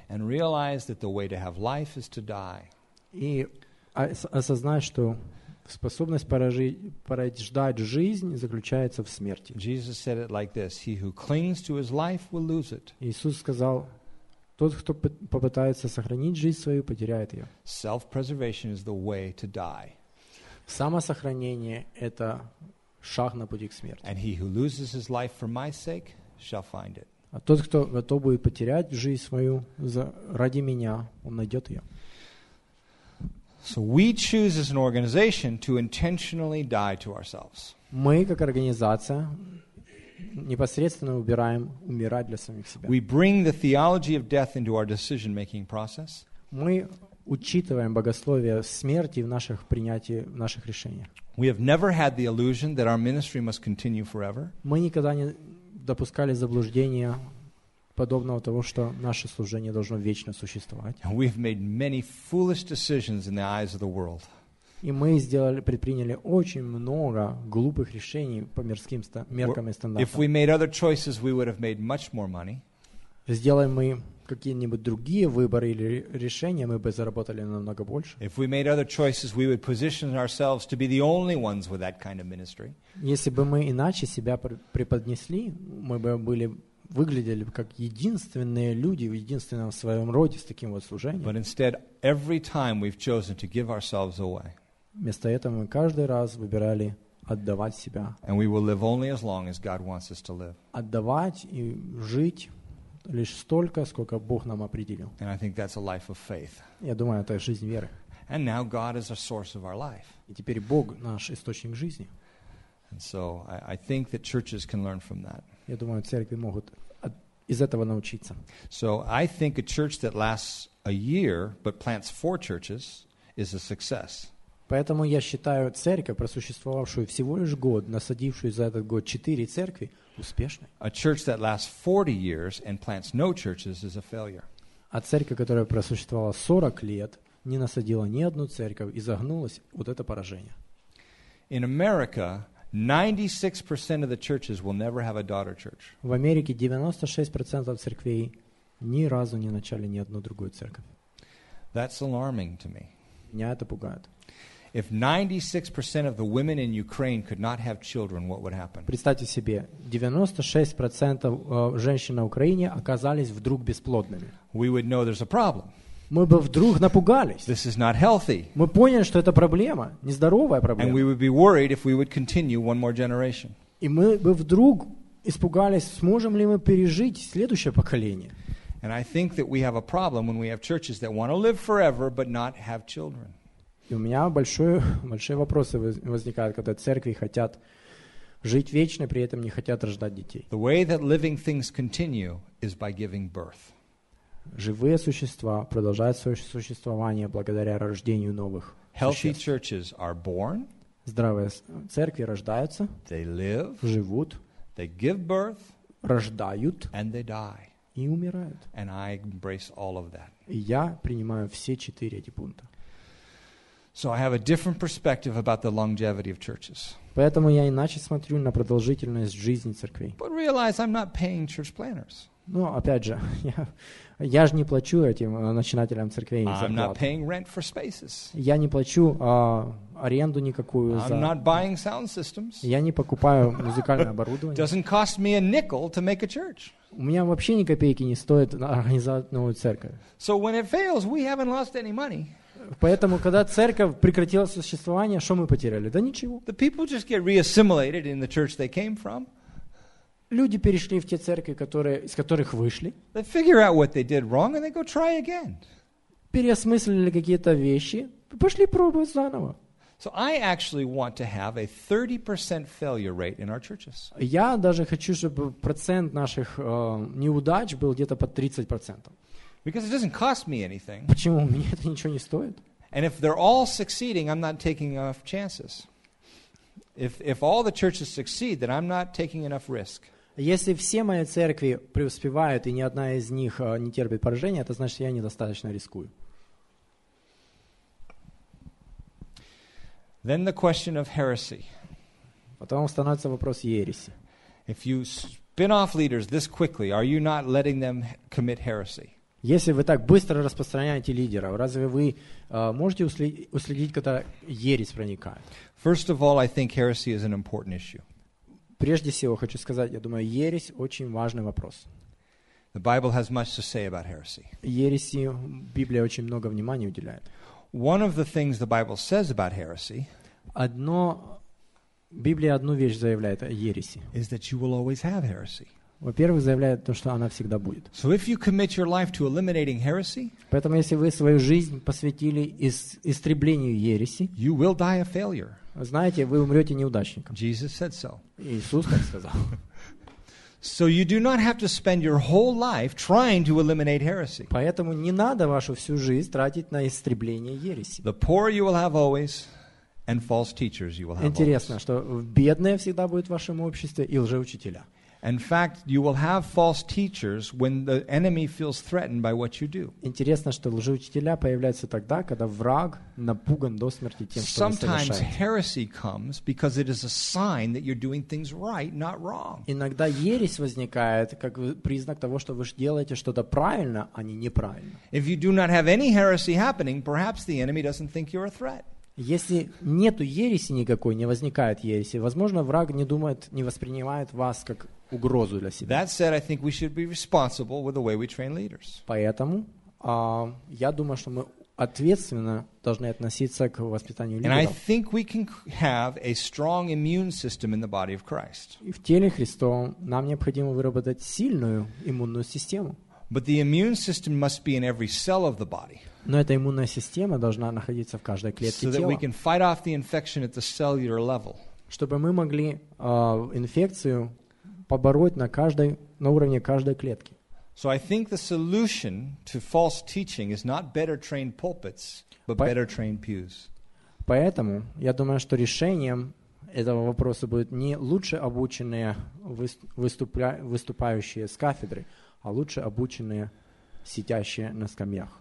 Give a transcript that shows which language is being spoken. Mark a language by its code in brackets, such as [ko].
[en] And realize that the way to have life is to die. [ru] И осознать, что способность порождать жизнь заключается в смерти. [en] Jesus said it like this: He who clings to his life will lose it. [ru] Иисус сказал: тот, кто попытается сохранить жизнь свою, потеряет ее. [en] Self-preservation is the way to die. [ru] Самосохранение — это шаг на пути к смерти. [en] And he who loses his life for my sake shall find it. [ru] А тот, кто готов будет потерять жизнь свою ради меня, он найдет ее. [en] So we choose as an organization to intentionally die to ourselves. [ru] Мы как организация непосредственно выбираем умирать для самих себя. [en] We bring the theology of death into our decision-making process. [ru] Мы учитываем богословие смерти в наших принятии в наших решениях. [en] We have never had the illusion that our ministry must continue forever. [ru] Мы никогда не допускали заблуждения подобного того, что наше служение должно вечно существовать. [en] We've made many foolish decisions in the eyes of the world. [ru] И мы сделали, предприняли очень много глупых решений по мирским меркам и стандартам. [en] If we made other choices, we would have made much more money. [ru] Сделаем мы какие-нибудь другие выборы или решения, мы бы заработали намного больше. [en] If we made other choices, we would position ourselves to be the only ones with that kind of ministry. [ru] Если бы мы иначе себя преподнесли, мы бы были выглядели как единственные люди в единственном своем роде с таким вот служением. [en] But instead, every time we've chosen to give ourselves away. [ru] Вместо этого мы каждый раз выбирали отдавать себя. [en] And we will live only as long as God wants us to live. [ru] Отдавать и жить лишь столько, сколько Бог нам определил. [en] And I think that's a life of faith. [ru] Я думаю, это жизнь веры. [en] And now God is a source of our life. [ru] И теперь Бог наш источник жизни. [en] And so I think that churches can learn from that. [ru] Я думаю, церкви могут из этого научиться. [en] So I think a church that lasts a year but plants four churches is a success. [ru] Поэтому я считаю церковь, просуществовавшую всего лишь год, насадившую за этот год четыре церкви, успешной. [en] A church that lasts 40 years and plants no churches is a failure. [ru] А церковь, которая просуществовала 40 лет, не насадила ни одну церковь и загнулась, вот это поражение. [en] In America, 96% of the churches will never have a daughter church. [ru] В Америке 96% церквей ни разу не начали ни одну другую церковь. [en] That's alarming to me. [ru] Меня это пугает. [en] If 96% of the women in Ukraine could not have children, what would happen? [ru] Представьте себе, 96% женщин на Украине оказались вдруг бесплодными. [en] We would know there's a problem. [ru] Мы бы вдруг напугались. [en] This is not healthy. [ru] Мы поняли, что это проблема, нездоровая проблема. [en] And we would be worried if we would continue one more generation. [ru] И мы бы вдруг испугались, сможем ли мы пережить следующее поколение. [en] And I think that we have a problem when we have churches that want to live forever but not have children. [ru] И у меня большие вопросы возникают, когда церкви хотят жить вечно, при этом не хотят рождать детей. [en] The way that living things continue is by giving birth. [ru] Живые существа продолжают свое существование благодаря рождению новых существ. [en] Healthy churches are born. [ru] Здравые церкви рождаются. [en] They live. [ru] Живут. [en] They give birth. [ru] Рождают. [en] And they die. [ru] И умирают. [en] And I embrace all of that. [ru] И я принимаю все четыре эти пункта. [en] So I have a different perspective about the longevity of churches. [ru] Поэтому я иначе смотрю на продолжительность жизни церквей. [en] But realize I'm not paying church planners. [ru] Ну, опять же, я же не плачу этим начинателям церквей зарплату. [en] I'm not paying rent for spaces. [ru] Я не плачу аренду никакую за. [en] I'm not buying sound systems. [ru] Я не покупаю музыкальное оборудование. [en] Doesn't cost me a nickel to make a church. [ru] У меня вообще ни копейки не стоит организовать новую церковь. [en] So when it fails, we haven't lost any money. [ru] Поэтому, когда церковь прекратила существование, что мы потеряли? Да ничего. [en] The people just get reassimilated in the church they came from. [ru] Люди перешли в те церкви, из которых вышли. [en] They figure out what they did wrong and they go try again. [ru] Переосмыслили какие-то вещи, пошли пробовать заново. [en] So I actually want to have a 30% failure rate in our churches. [ru] Я даже хочу, чтобы процент наших неудач был где-то под 30%. [en] Because it doesn't cost me anything. [ru] Почему? Мне это ничего не стоит. [en] And if they're all succeeding, I'm not taking enough chances. If all the churches succeed, then I'm not taking enough risk. [ru] Если все мои церкви преуспевают, и ни одна из них не терпит поражения, это значит, я недостаточно рискую. [en] Then the question of heresy. [ru] Потом становится вопрос ереси. [en] If you spin off leaders this quickly, are you not letting them commit heresy? [ru] Если вы так быстро распространяете лидеров, разве вы можете уследить, когда ересь проникает? [en] First of all, I think heresy is an important issue. [ru] Прежде всего, хочу сказать, я думаю, ересь очень важный вопрос. [en] The Bible has much to say about heresy. [ru] Ереси Библия очень много внимания уделяет. [en] One of the things the Bible says about heresy, [ru] Библия одну вещь заявляет о ереси. [en] Is that you will always have heresy. [ru] Во-первых, заявляет то, что она всегда будет. [en] So if you commit your life to eliminating heresy, [ru] поэтому если вы свою жизнь посвятили истреблению ереси, [en] you will die a failure. [ru] Знаете, вы умрете неудачником. [en] Jesus said so. [ru] Иисус так сказал. [en] So you do not have to spend your whole life trying to eliminate heresy. [ru] Поэтому не надо вашу всю жизнь тратить на истребление ереси. [en] The poor you will have always. And false teachers you will have. [ru] Интересно, что бедные всегда будут в вашем обществе и лжеучителя. [en] In fact, you will have false teachers when the enemy feels threatened by what you do. [ru] Интересно, что лжеучителя появляются тогда, когда враг напуган до смерти тем, что вы совершаете. [en] Sometimes heresy comes because it is a sign that you're doing things right, not wrong. [ru] Иногда ересь возникает как признак того, что вы делаете что-то правильно, а не неправильно. [en] If you do not have any heresy happening, perhaps the enemy doesn't think you're a threat. [ru] Если нету ереси никакой, не возникает ереси, возможно, враг не думает, не воспринимает вас как угрозу для себя. [en] That said, I think we should be responsible with the way we train leaders. [ru] Поэтому я думаю, что мы ответственно должны относиться к воспитанию лидеров. [en] And I think we can have a strong immune system in the body of Christ. [ru] И в теле Христовом нам необходимо выработать сильную иммунную систему. [en] But the immune system must be in every cell of the body. [ru] Но эта иммунная система должна находиться в каждой клетке тела. [en] So that we can fight off the infection at the cellular level. [ru] Чтобы мы могли инфекцию побороть на уровне каждой клетки. [en] So I think the solution to false teaching is not better trained pulpits, but better trained pews. [ru] Поэтому я думаю, что решением этого вопроса будет не лучше обученные выступающие с кафедры, а лучше обученные сидящие на скамьях.